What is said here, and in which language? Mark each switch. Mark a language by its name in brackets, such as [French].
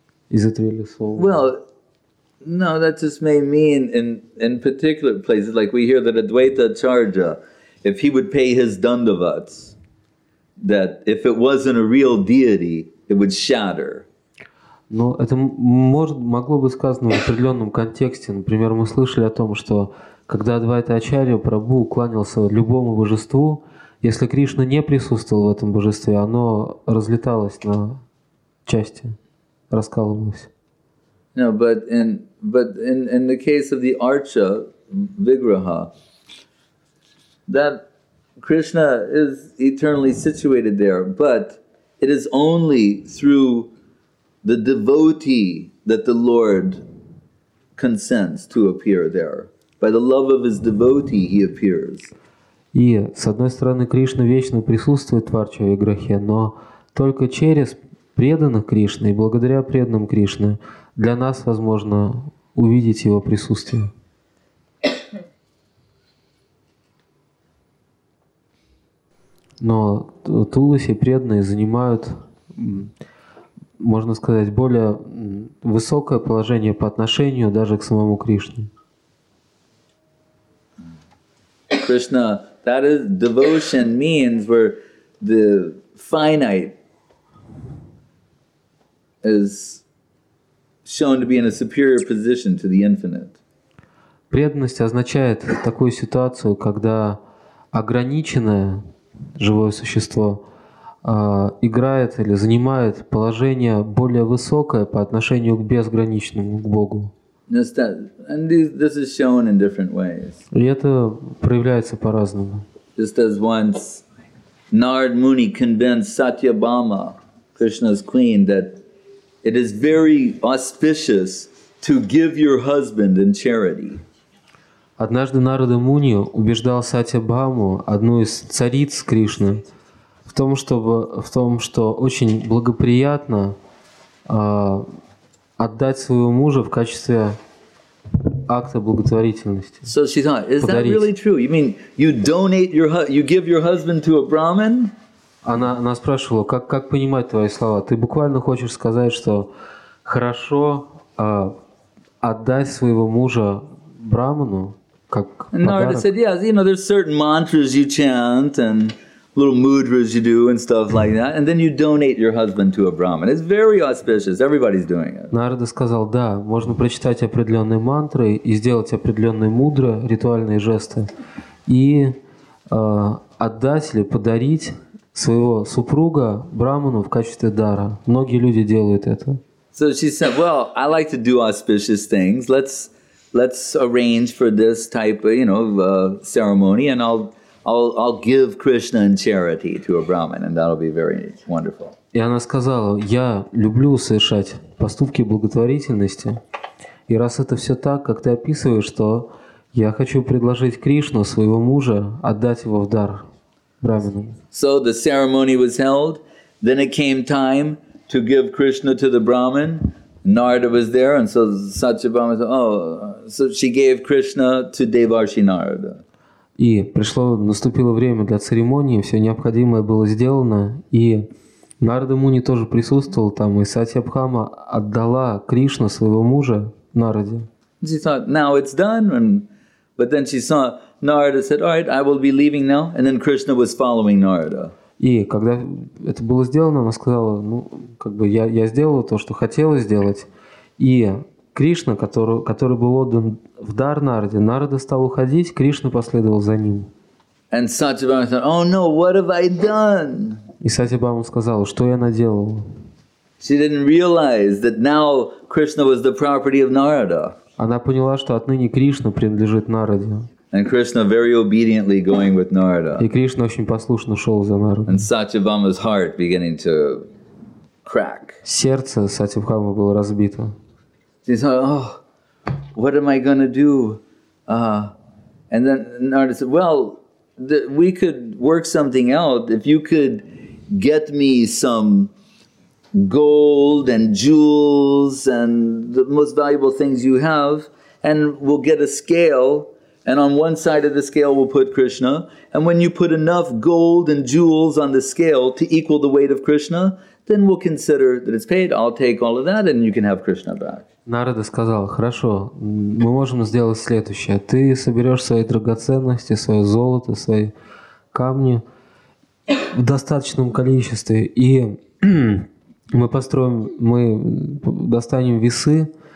[English] Is it really so? Well, no, that just may mean in particular places, like we hear that Advaita Acharya, if he would pay his dandavats, that if it wasn't a real deity, it would shatter. [Russian] Ну, это могло бы сказано в определенном контексте. Например, мы слышали о том, что когда Адвайта Ачарья Прабху кланялся любому божеству, если Кришна не присутствовал в этом божестве, оно разлеталось на части, раскалывалось. [English] No, but in the case of the Archa Vigraha, that Krishna is eternally situated there, but it is only through the devotee that the Lord consents to appear there. By the love of his devotee, he appears. [Russian] И с одной стороны, Кришна вечно присутствует в Арча Виграхе, но только через преданных Кришны и благодаря преданным Кришне для нас возможно увидеть его присутствие. Но Туласи преданные занимают, можно сказать, более высокое положение по отношению даже к самому Кришне. [English] Krishna, that is devotion means where the finite is shown to be in a superior position to the infinite. [Russian] Преданность означает такую ситуацию, когда ограниченное живое существо играет или занимает положение более высокое по отношению к безграничному, к Богу. [English] And this is shown in different ways. [Russian] И это проявляется по-разному. [English] Just as once Narad Muni convinced Satyabhama, Krishna's queen, that it is very auspicious to give your husband in charity. [Russian] Однажды Нарада Муни убеждал Сатьябхаму, одну из цариц Кришны, в том, что очень благоприятно отдать своего мужа в качестве акта благотворительности. [English] So she thought, is that really true? You mean you donate your you give your husband to a Brahmin? [Russian] Она спрашивала, как понимать твои слова? Ты буквально хочешь сказать, что хорошо отдать своего мужа Брахману? [English] Narada said, yes, you know, there's certain mantras you chant and little mudras you do and stuff like that, and then you donate your husband to a Brahmin. It's very auspicious. Everybody's doing it. [Russian] Narada сказал, да, можно прочитать определенные мантры и сделать определенные мудры, ритуальные жесты, и отдать или подарить своего супруга Брахману в качестве дара. Многие люди делают это. [English] So she said, well, I like to do auspicious things. Let's arrange for this type of, you know, ceremony, and I'll give Krishna in charity to a Brahmin, and that'll be very wonderful. [Russian] И она сказала, я люблю совершать поступки благотворительности, и раз это все так, как ты описываешь, то я хочу предложить Кришну своего мужа отдать его в дар Брахману. [English] So the ceremony was held. Then it came time to give Krishna to the Brahmin. Narada was there, and so Satyabhama said, oh, so she gave Krishna to Devarshi Narada. [Russian] И пришло, наступило время для церемонии, все необходимое было сделано, и Нарада Муни тоже присутствовал там, и Сатьябхама отдала Кришну своего мужа Нараде. [English] She thought, now it's done, and but then she saw Narada said, all right, I will be leaving now, and then Krishna was following Narada. [Russian] И когда это было сделано, она сказала, ну, как бы я сделала то, что хотела сделать. И Кришна, который был отдан в дар Нараде, Нарада стал уходить, Кришна последовал за ним. [English] And Satyabhama said, oh no, what have I done? [Russian] И Сатьябхама сказала, что я наделала? [English] She didn't realize that now Krishna was the property of Narada. [Russian] Она поняла, что отныне Кришна принадлежит Нараде. [English] And Krishna very obediently going with Narada. [Russian] И Кришна очень послушно шел за Нарадой. [English] And Satyabhama's heart beginning to crack. [Russian] Сердце Сатибхамы было разбито. [English] He's like, oh, what am I gonna do? And then Narada said, well, we could work something out if you could get me some gold and jewels and the most valuable things you have, and we'll get a scale. And on one side of the scale we'll put Krishna, and when you put enough gold and jewels on the scale to equal the weight of Krishna, then we'll consider that it's paid. I'll take all of that and you can have Krishna back. [Russian] Нарада сказал: "Хорошо, мы можем сделать следующее. Ты соберешь свои драгоценности, свое золото, свои камни в достаточном количестве, и мы достанем весы.